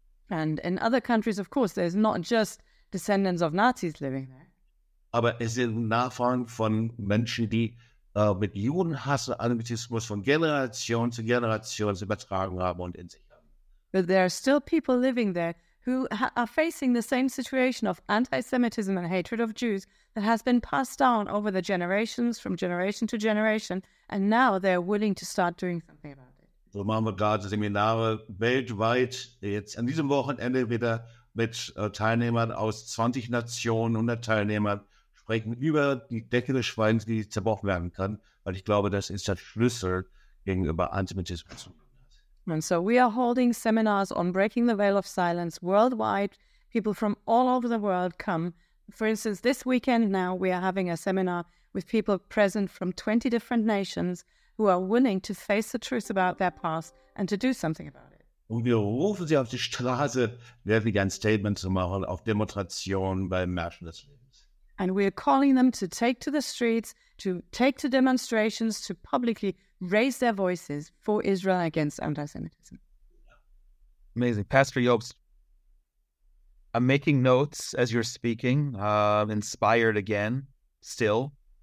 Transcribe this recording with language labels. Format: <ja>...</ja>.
<en>And in other countries, of course, there's not just descendants of Nazis living there.</en> <de>Aber es sind Nachfahren von Menschen, die mit Judenhass und Antisemitismus von Generation zu Generation übertragen haben und in sich haben.</de> <en>But there are still people living there who are facing the same situation of anti-Semitism and hatred of Jews that has been passed down over the generations, from generation to generation, and now they're willing to start doing something about it.</en> <de>So machen wir gerade Seminare weltweit, jetzt an diesem Wochenende wieder mit Teilnehmern aus 20 Nationen, 100 Teilnehmern, sprechen über die Decke des Schweigens, die zerbrochen werden kann, weil ich glaube, das ist der Schlüssel gegenüber Antisemitismus.</de> <en>And so we are holding seminars on breaking the veil of silence worldwide. People from all over the world come. For instance, this weekend now we are having a seminar with people present from 20 different nations, who are willing to face the truth about their past and to do something about it.</en> <de>Und wir rufen sie auf die Straße, wirklich ein Statement zu machen, auf Demonstration bei Märschen des Lebens.</de> <en>And we are calling them to take to the streets, to take to demonstrations, to publicly raise their voices for Israel against anti-Semitism. Amazing. Pastor Jobst, I'm making notes as you're speaking, inspired again, still.</en>